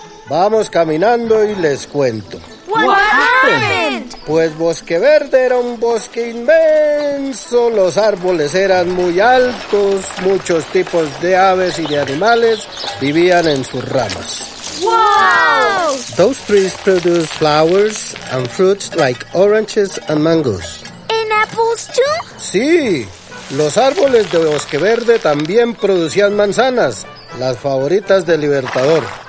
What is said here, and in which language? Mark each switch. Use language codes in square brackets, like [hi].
[es] Vamos caminando y les cuento. [en] What happened? [es] Pues Bosque Verde era un bosque inmenso. Los árboles eran muy altos. Muchos tipos de aves y de animales vivían en sus ramas. [en] Wow! Those trees produce flowers and fruits like oranges and mangoes. And apples too? [es] Sí, los árboles de Bosque Verde también producían manzanas, las favoritas del Libertador.